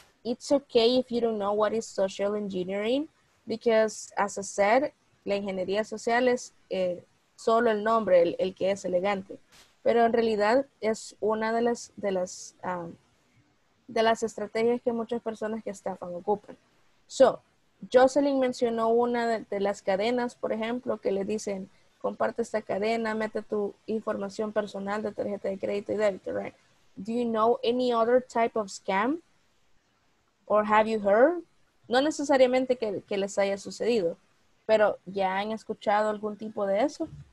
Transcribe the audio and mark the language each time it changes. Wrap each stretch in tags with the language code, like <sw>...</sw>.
<en>It's okay if you don't know what is social engineering, because, as I said,</en> <es>la ingeniería social es solo el nombre, el que es elegante. Pero en realidad es una de las estrategias que muchas personas que estafan ocupan. So, Jocelyn mencionó una de las cadenas, por ejemplo, que le dicen, comparte esta cadena, mete tu información personal de tarjeta de crédito y débito, right?</es> <en>Do you know any other type of scam? Or have you heard?</en> <es>No necesariamente que les haya sucedido, pero ¿ya han escuchado algún tipo de eso?</es>